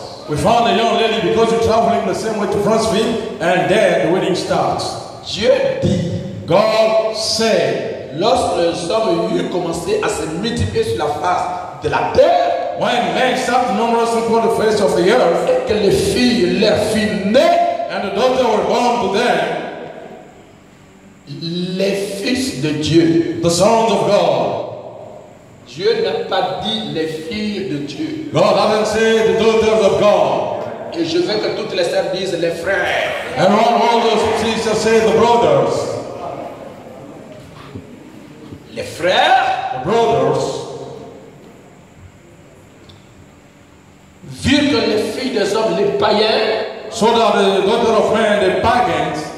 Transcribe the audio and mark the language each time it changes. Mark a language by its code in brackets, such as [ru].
[en] We found a young lady because you're traveling the same way to Franceville, and there the wedding starts. [fr] Dieu dit, [en] God said, [fr] lorsque les hommes eurent commencé à se multiplier sur la face de la terre, [en] when men started numerous upon the face of the earth, [fr] et que les filles, leurs filles nées, [en] and the daughters were born to them, [fr] les fils de Dieu, [en] the sons of God. [fr] Dieu n'a pas dit les filles de Dieu. [en] God hasn't said the daughters of God. [fr] Et je veux que toutes les sœurs disent les frères. [en] And all the sisters say the brothers. [fr] Les frères. [en] The brothers. [fr] Vu que les filles des hommes, les païens. [en] So that the daughter of men, the pagans.